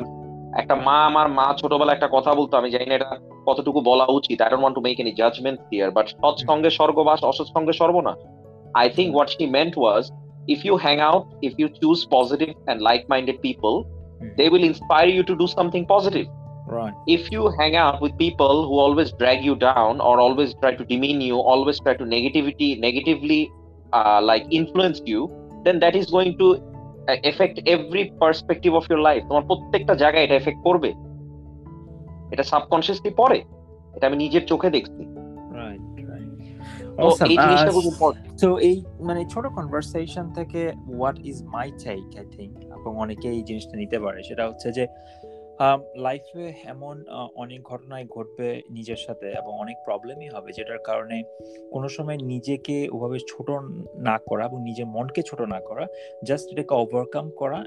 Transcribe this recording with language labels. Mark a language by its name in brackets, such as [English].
[Bangla] কারণ একটা মা, আমার মা ছোটবেলা একটা কথা বলতো, আমি জানি না এটা কতটুকু বলা উচিত, [English] I don't want to make any judgment here, [Bangla] but সৎ সঙ্গে স্বর্গবাস, অসৎ সঙ্গে সর্বনাশ। [English] I think what she meant was, if you hang out, if you choose positive and like minded people, they will inspire you to do something positive. Right. If you hang out with people who always drag you down or always try to demean you, always try to negatively influence you, then that is going to affect every perspective of your life. [Bangla] তোমার প্রত্যেকটা জায়গায় এটা effect করবে, এটা subconsciously পড়ে, এটা আমি নিজের চোখে দেখছি। [English] Right. Awesome. [Bangla] So এই মানে ছোট কনভারসেশন থেকে [English] what is my take, I think [Bangla] অনেকে এই জিনিসটা নিতে পারে, সেটা হচ্ছে যে লাইফে এমন অনেক ঘটনাই ঘটবে নিজের সাথে এবং অনেক প্রবলেমই হবে যেটার কারণে কোনো সময় নিজেকে ওভাবে ছোট না করা এবং নিজের মনকে ছোট না করা, জাস্ট এটাকে ওভারকাম করা।